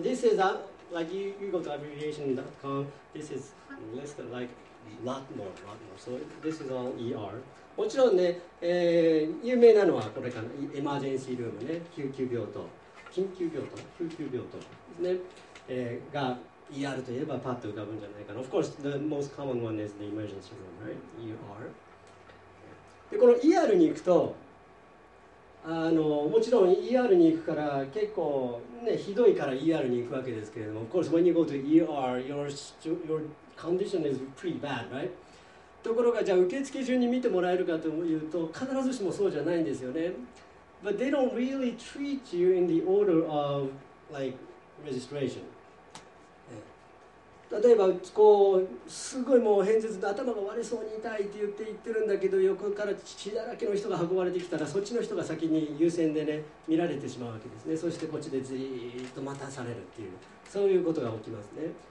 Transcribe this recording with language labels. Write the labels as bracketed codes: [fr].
[en] So this is a, like you go to abbreviation.com, this is less than like lot more. So this is all ER. [ja] もちろんね、有名なのはこれかな、エマージェンシールームね、救急病棟、緊急病棟、救急病棟ですね、が ER といえばパッと浮かぶんじゃないかな。 [en] Of course the most common one is the emergency room, right? [ja] ER. でこの ER に行くと、もちろん ER に行くから結構、ね、ひどいから ER に行くわけですけれども、 [en] Of course when you go to ER, your condition is pretty bad, right? [ja] ところがじゃあ受付順に見てもらえるかというと必ずしもそうじゃないんですよね。 [en] But they don't really treat you in the order of like registration. [ja] 例えばこうすごいもう偏頭痛で頭が割れそうに痛いって言って言ってるんだけど、横から血だらけの人が運ばれてきたらそっちの人が先に優先でね見られてしまうわけですね。そしてこっちでずっと待たされるっていう、そういうことが起きますね。